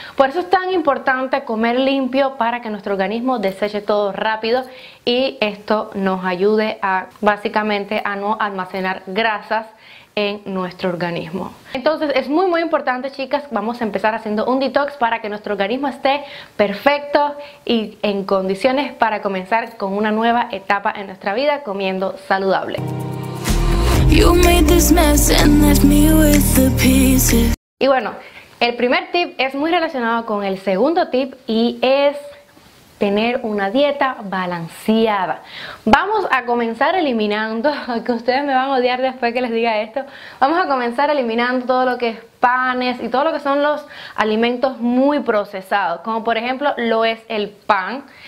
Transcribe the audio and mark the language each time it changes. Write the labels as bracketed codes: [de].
[es] Por eso es tan importante comer limpio, para que nuestro organismo deseche todo rápido y esto nos ayude a básicamente a no almacenar grasas en nuestro organismo. Entonces es muy muy importante, chicas, vamos a empezar haciendo un detox para que nuestro organismo esté perfecto y en condiciones para comenzar con una nueva etapa en nuestra vida comiendo saludable. [en] You made this mess and left me with the pieces. [es] Y bueno, el primer tip es muy relacionado con el segundo tip, y es tener una dieta balanceada. Vamos a comenzar eliminando, que ustedes me van a odiar después que les diga esto, vamos a comenzar eliminando todo lo que es panes y todo lo que son los alimentos muy procesados, como por ejemplo lo es el pan.